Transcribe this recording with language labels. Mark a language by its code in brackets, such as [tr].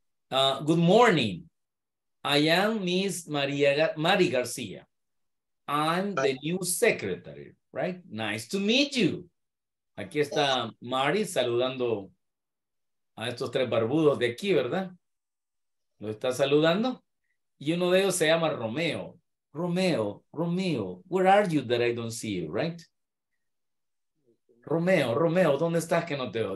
[en] Good morning. I am Miss Maria Mari García. I'm the new secretary, right? Nice to meet you. [es] Aquí está Mari saludando a estos tres barbudos de aquí, ¿verdad? Lo está saludando. Y uno de ellos se llama Romeo. [en] Romeo, Romeo, where are you that I don't see you, right? [es] Romeo, Romeo, ¿dónde estás que no te veo?